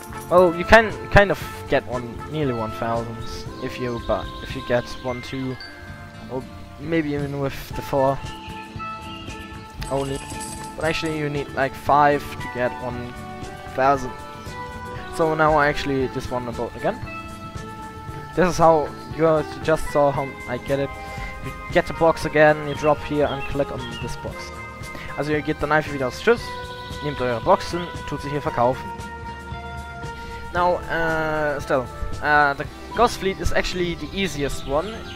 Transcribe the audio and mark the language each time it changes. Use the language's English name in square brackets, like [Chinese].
[English] Well, you can kind of get nearly 1,000 if you get 1, 2, or maybe even with the 4 only. But actually, you need like 5 to get 1,000. So now I actually just won the boat again. This is how you just saw how I get it. You get the box again, you drop here and click on this box. [German] Also ihr geht dann einfach wieder aufs Schiff, nehmt eure Boxen, tut sie hier verkaufen. [English] Now, still, the Ghost Fleet is actually the easiest one.